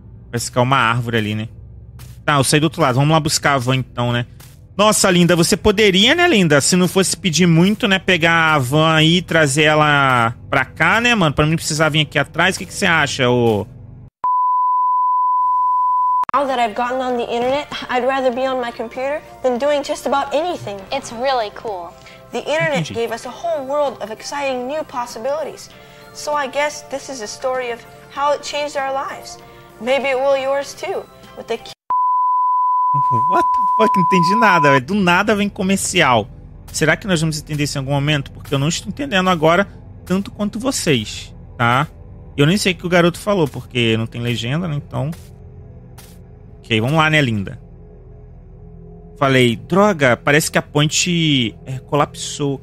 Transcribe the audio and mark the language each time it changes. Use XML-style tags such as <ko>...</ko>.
<pt>Parece que é uma árvore ali, né? Tá, eu saí do outro lado. Vamos lá buscar a van então, né? Nossa, linda. Você poderia, né, linda? Se não fosse pedir muito, né? Pegar a van aí e trazer ela pra cá, né, mano? Pra mim precisar vir aqui atrás. O que você acha, ô?</pt> <en>Now that I've gotten on the internet, I'd rather be on my computer than doing just about anything. It's really cool. The internet gave us a whole world of exciting new possibilities. So I guess this is a story of how it changed our lives. Maybe it will yours too. With the What the fuck?</en> <pt>Não entendi nada, velho. Do nada vem comercial. Será que nós vamos entender isso em algum momento? Porque eu não estou entendendo agora tanto quanto vocês, tá? Eu nem sei o que o garoto falou, porque não tem legenda, né? Então... Ok, vamos lá, né, linda? Falei, droga, parece que a ponte colapsou.</pt>